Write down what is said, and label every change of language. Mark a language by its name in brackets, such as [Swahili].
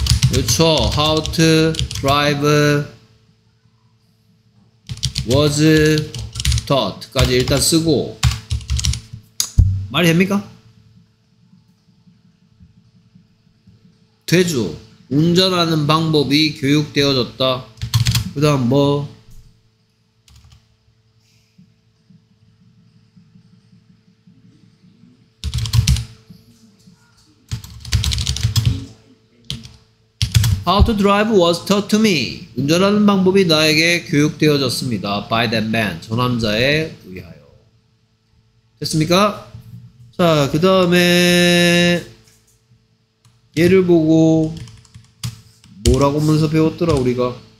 [Korean] 그렇죠. [English] How to drive was taught [Korean] 까지 일단 쓰고 말이 됩니까? 되죠. 운전하는 방법이 교육되어졌다. 그 다음 뭐 [English] How to drive was taught to me. [Korean] 운전하는 방법이 나에게 교육되어졌습니다. [English] By that man. [Korean] 저 남자에 의하여. 됐습니까? 자, 그 다음에 얘를 보고 뭐라고 문서 배웠더라 우리가?